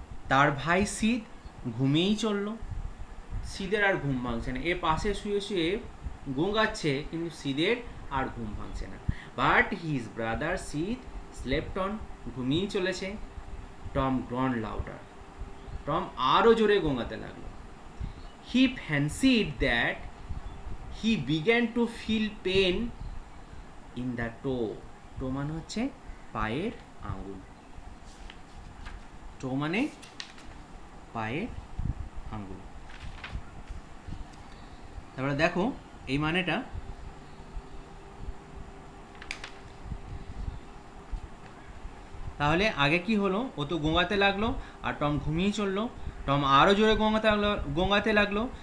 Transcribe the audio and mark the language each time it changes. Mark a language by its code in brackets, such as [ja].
[bn] তার ভাই সিদ ঘুমিয়েই চলল, সিদের আর ঘুম ভাঙছে না, এ পাশে শুয়ে শুয়ে গোঙাচ্ছে কিন্তু সিদের আর ঘুম ভাঙছে না, [en] but his brother still slept on, [bn] ঘুমিয়েই চলেছে। [en] Tom groaned louder, [bn] টম আরও জোরে গোঙাতে লাগলো। [en] He fancied that he began to feel pain in the toe. [bn] Toe মানে হচ্ছে পায়ের আঙুল, toe মানে পায়ের আঙুল। তাহলে দেখো এই মানেটা, তাহলে আগে কি হলো, ও তো গোঙাতে লাগলো আর টম ঘুমিয়ে চললো, টম আরও জোরে গোঙাতে লাগলো।